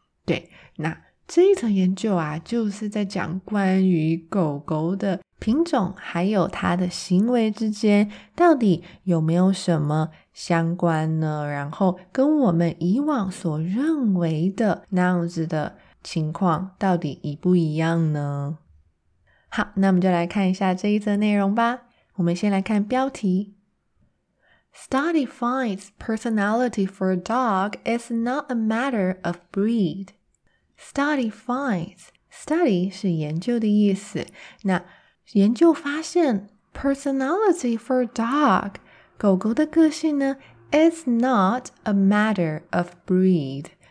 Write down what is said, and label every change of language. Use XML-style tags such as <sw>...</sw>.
<zh>对，那这一层研究啊就是在讲关于狗狗的品种还有它的行为之间到底有没有什么相关呢，然后跟我们以往所认为的那样子的情况到底一不一样呢？好，那我们就来看一下这一则内容吧。我们先来看标题。</zh> <en>Study finds personality for a dog is not a matter of breed. Study finds, study</en> <zh>是研究的意思。那研究发现</zh> <en>personality for a dog,</en> <zh>狗狗的个性呢</zh> <en>is not a matter of breed.</en>